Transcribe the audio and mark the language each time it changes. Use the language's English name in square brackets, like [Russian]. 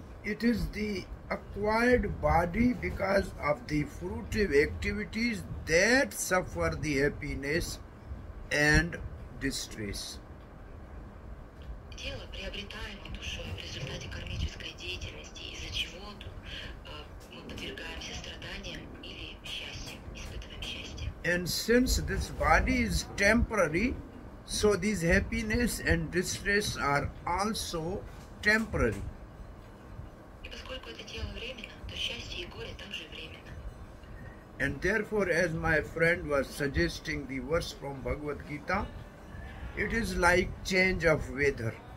[English] It is the acquired body because of the fruitive activities that suffer the happiness and distress. [Russian] Тело, приобретаемое душой в результате кармической деятельности, из-за чего мы подвергаемся страданиям или счастью, испытываем счастье. [English] And since this body is temporary, so these happiness and distress are also temporary. [Russian] И поскольку это тело временно, то счастье и горе также временно. [English] And therefore, as my friend was suggesting the verse from Bhagavad Gita, it is like change of weather.